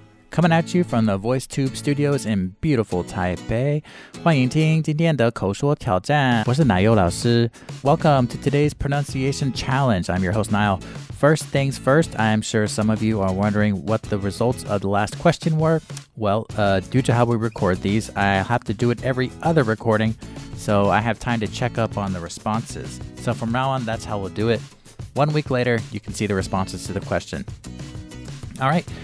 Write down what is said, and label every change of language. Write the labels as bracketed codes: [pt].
[en] Coming at you from the Voice Tube Studios in beautiful Taipei. [zh] 欢迎听今天的口说挑战。我是 Niall 老师。 [en] Welcome to today's pronunciation challenge. I'm your host, Niall. First things first, I'm sure some of you are wondering what the results of the last question were. Well, due to how we record these, I have to do it every other recording, so I have time to check up on the responses. So from now on, that's how we'll do it. 1 week later, you can see the responses to the question. All right.